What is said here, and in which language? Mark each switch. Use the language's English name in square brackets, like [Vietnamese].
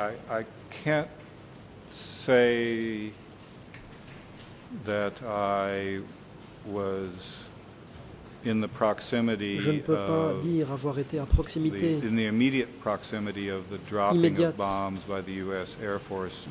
[English] I can't say that I was in the proximity [French] je ne peux pas dire avoir été à proximité [English] in the immediate proximity of the dropping of bombs by the US Air Force